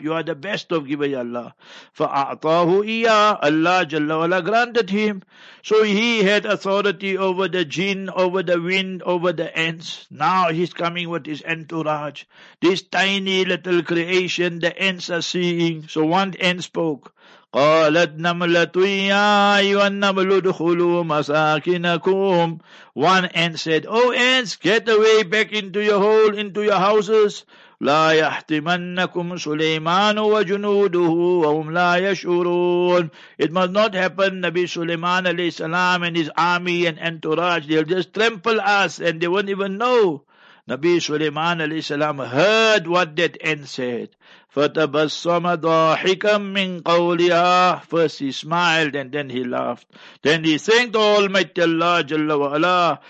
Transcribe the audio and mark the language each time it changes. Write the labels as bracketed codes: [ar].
[en] You are the best of giver, ya Allah. Fa'a'tahu iya. Allah Jalla wa'ala granted him. So he had authority over the jinn, over the wind, over the ants. Now he's coming with his entourage. This tiny little creation the ants are seeing. So one ant spoke. [ar] قالت نملة يا أيها النمل ادخلوا مساكنكم. [en] One ant said, oh ants, get away back into your hole, into your houses. [ar] لا يحتمنكم سليمان وجنوده وهم لا يشعرون. [en] It must not happen, Nabi Sulaiman alayhi salam and his army and entourage, they'll just trample us and they won't even know. Nabi Sulaiman alayhi salam heard what that ant said. [ar] فَتَبَصَّمَ ضَاحِكًا مِّن قَوْلِهَا. [en] First he smiled and then he laughed. Then he thanked Almighty Allah Jalla wa'ala.